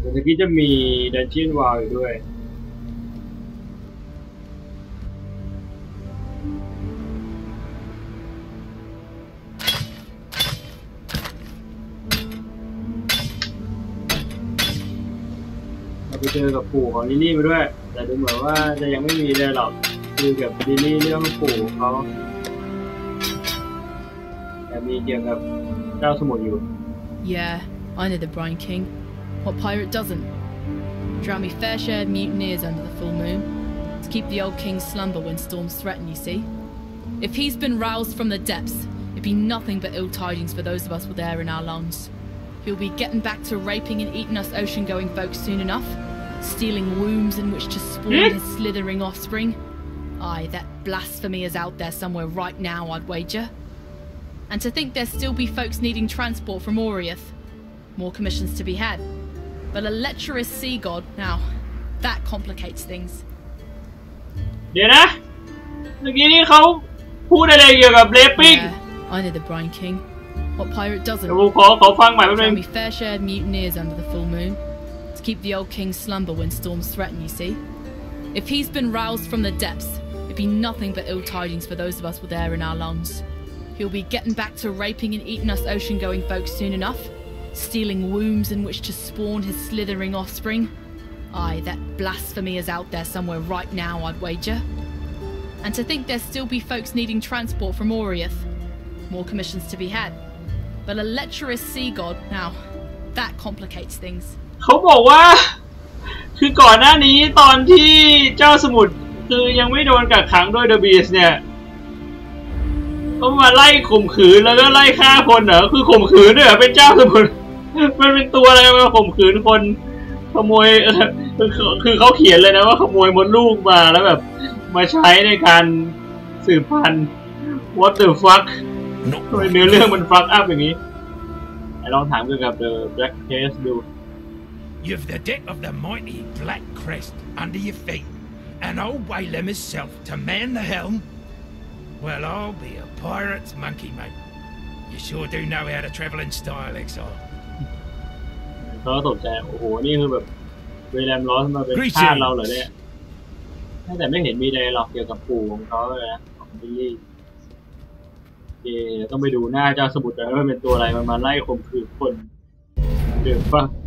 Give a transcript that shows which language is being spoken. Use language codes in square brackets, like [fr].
[th] ที่จะมีดันเจียนวาวอยู่ด้วยเราไปเจอกับปู่ของลิลลี่ไปด้วยแต่ดูเหมือนว่าจะยังไม่มีเลยหรอกคือเกี่ยวกับลิลลี่เรื่องปู่เขาแต่มีเกี่ยวกับเจ้าสมุทรอยู่ [en] Yeah, I know the Brine King. What pirate doesn'tDrown me fair share of mutineers under the full moon to keep the old king's slumber when storms threaten, you see. If he's been roused from the depths, it'd be nothing but ill tidings for those of us with air in our lungs. He'll be getting back to raping and eating us ocean-going folks soon enough, stealing wombs in which to spawn his slithering offspring. Aye, that blasphemy is out there somewhere right now, I'd wager. And to think there'd still be folks needing transport from Orioth. More commissions to be had. But a lecherous sea god, now, that complicates things. [th] เดี๋ยวนะเมื่อกี้นี่เขาพูดอะไรเกี่ยวกับเลปิ้ง [en] I know the Brine King. What pirate doesn't? [th] ขอฟังใหม่แป๊บนึง [en] Drown me fair share of mutineers under the full moon. To keep the old king's slumber when storms threaten, you see. If he's been roused from the depths, it'd be nothing but ill tidings for those of us with air in our lungs. He'll be getting back to raping and eating us ocean-going folks soon enough. Stealing wombs in which to spawn his slithering offspring. Aye, that blasphemy is out there somewhere right now, I'd wager. And to think there'd still be folks needing transport from Orioth. More commissions to be had. But a lecherous sea god, now, that complicates things. [th] เขาบอกว่าคือก่อนหน้านี้ตอนที่เจ้าสมุทรคือยังไม่โดนกักขังด้วยเดอะบีสเนี่ยก็มาไล่ข่มขืนแล้วก็ไล่ฆ่าคนเหรอคือข่มขืนด้วยเหรอเป็นเจ้าสมุทรมันเป็นตัวอะไรมาข่มขืนคนขโมยคือเขาเขียนเลยนะว่าขโมยมดลูกมาแล้วแบบมาใช้ในการสืบพันธุ์ [en] What the fuck [th] ทำไมเนื้อเรื่องมัน [en] fuck up [th] อย่างนี้ไอ้ลองถามเกี่ยวกับ The Black Crest ดู [en] You've the deck of the mighty Black Crest under your feet and old Waylem himself to man the helmWell, I'll be a pirate's monkey, mate. You sure do know how to travel in style, Exile. [th] เขาตกใจโอ้โหนี่คือแบบเวลามล้อมาเป็นข้าเราเหรอเนี่ยแต่ไม่เห็นมีอะไรหรอกเกี่ยวกับปู่ของเขาเลยนะของบิลลี่ เอ๊ต้องไปดูหน้าเจ้าสมุทรว่าเป็นตัวอะไรมันมาไล่ข่มขืนคนเดือดป่ะ